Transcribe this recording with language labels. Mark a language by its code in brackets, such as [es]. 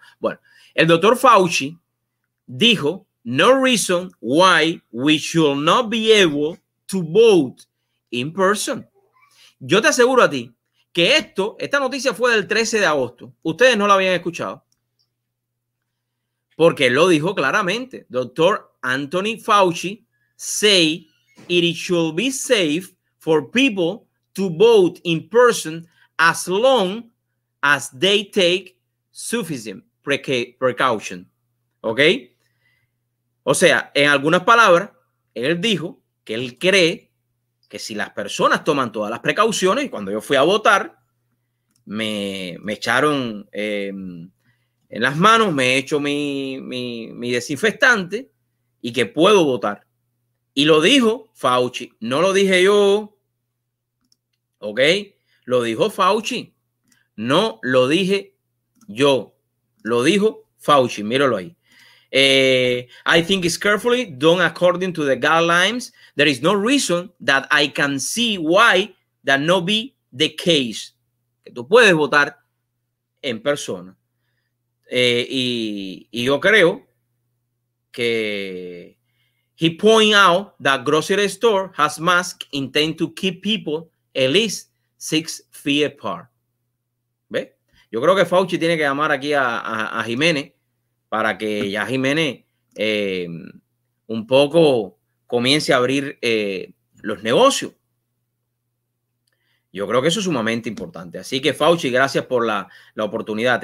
[es] Bueno, el doctor Fauci dijo, [en] no reason why we should not be able to vote in person. [es] Yo te aseguro a ti que esta noticia fue del 13 de agosto. Ustedes no la habían escuchado. Porque lo dijo claramente. [en] Doctor Anthony Fauci say it should be safe for people to vote in person as long as they take sufficient precaution. [es] ¿Ok? O sea, en algunas palabras, él dijo que él cree que si las personas toman todas las precauciones, y cuando yo fui a votar, me echaron en las manos, me he hecho mi desinfectante y que puedo votar. Y lo dijo Fauci, no lo dije yo, ¿ok? Lo dijo Fauci, no lo dije yo, lo dijo Fauci, míralo ahí. [en] I think it's carefully done according to the guidelines. There is no reason that I can see why that not be the case. [es] Que tú puedes votar en persona. Y yo creo que [en] he point out that grocery store has mask intend to keep people at least 6 feet apart. [es] ¿Ve? Yo creo que Fauci tiene que llamar aquí a Jiménez, para que ya Jiménez un poco comience a abrir los negocios. Yo creo que eso es sumamente importante. Así que Fauci, gracias por la oportunidad.